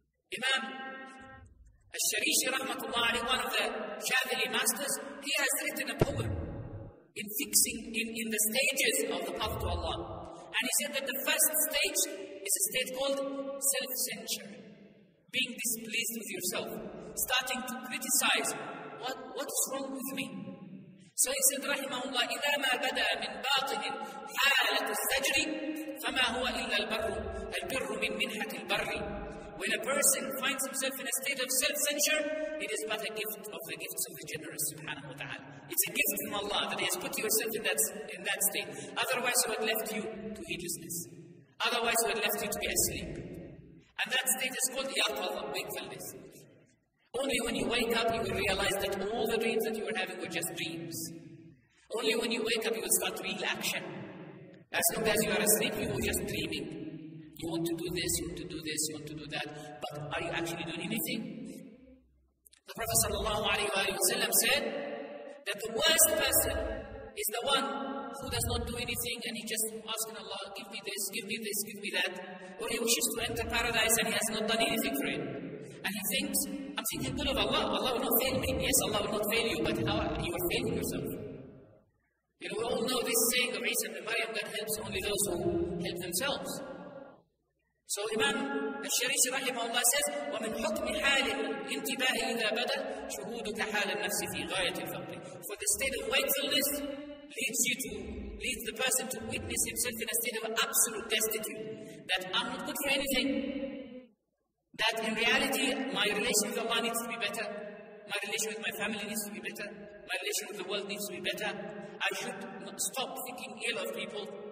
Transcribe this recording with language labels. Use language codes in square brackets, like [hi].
[en] Imam Al-Sharishi, rahmatullahi, one of the Shafi'i masters, he has written a poem in fixing in the stages of the path to Allah. And he said that the first stage is a state called self-censure. Being displeased with yourself. Starting to criticize. What's wrong with me? So he said, rahimahullah, [ar] إِذَا مَا بَدَأَ مِنْ بَاطِنٍ حَالَةُ السَّجْرِ فَمَا هُوَ إِلَّا الْبَرُّ الْبِرُّ مِنْ مِنْحَةِ الْبَرِّ. [en] When a person finds himself in a state of self-censure, it is but a gift of the gifts of the generous, subhanahu wa ta'ala. It's a gift from Allah that has put yourself in that state. Otherwise, you had left you to heedlessness. Otherwise, you had left you to be asleep. And that state is called yaqadha, wakefulness. Only when you wake up, you will realize that all the dreams that you were having were just dreams. Only when you wake up, you will start real action. As long as you are asleep, you are just dreaming. You want to do this, you want to do this, you want to do that. But are you actually doing anything? The Prophet sallallahu alaihi wasallam said that the worst person is the one who does not do anything and he just asking Allah, give me this, give me this, give me that. Or he wishes to enter paradise and he has not done anything for it. And he thinks, I'm thinking good of Allah, Allah will not fail me. Yes, Allah will not fail you, but how are you failing yourself? You know, we all know this saying of Isa ibn Maryam that helps only those who help themselves. So Imam al-Sharisi rahimahullah says, [ar] وَمِنْ حُكْمِ حَالِ الْإِنْتِبَاهِ إِذَا بَدَى شُهُودُكَ حَالَ النَّفْسِ فِي غَايَةِ الْفَقْرِ. [en] For the state of wakefulness leads the person to witness himself in a state of absolute destitute, that I'm not good for anything, that in reality my relation with Allah needs to be better, my relation with my family needs to be better, my relation with the world needs to be better, I should stop thinking ill of people.